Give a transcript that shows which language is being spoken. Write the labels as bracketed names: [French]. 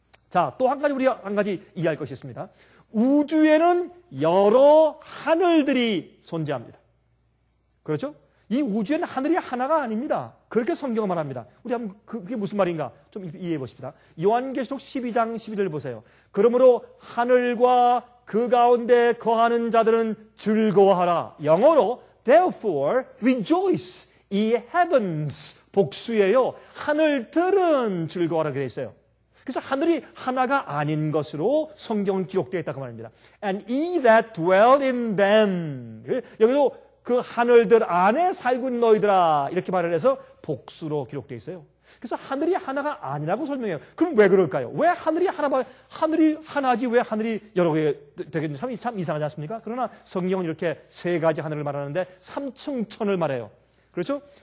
[Korean] 자, 또 한 가지 우리가 한 가지 이해할 것이 있습니다. 우주에는 여러 하늘들이 존재합니다. 그렇죠? 이 우주에는 하늘이 하나가 아닙니다. 그렇게 성경을 말합니다. 우리 한번 그게 무슨 말인가 좀 이해해 봅시다. 요한계시록 12장 12절 보세요. 그러므로 하늘과 그 가운데 거하는 자들은 즐거워하라. 영어로 [English] therefore rejoice in heavens [Korean] 복수예요. 하늘들은 즐거워하라 그래 있어요. 그래서 하늘이 하나가 아닌 것으로 성경은 기록되어 있다고 말입니다. [English] And he that dwell in them. [Korean] 여기도 그 하늘들 안에 살고 있는 너희들아. 이렇게 말을 해서 복수로 기록되어 있어요. 그래서 하늘이 하나가 아니라고 설명해요. 그럼 왜 그럴까요? 왜 하늘이 하나, 하늘이 하나지 왜 하늘이 여러 개 되겠는지 참 이상하지 않습니까? 그러나 성경은 이렇게 세 가지 하늘을 말하는데 삼층천을 말해요. 그렇죠?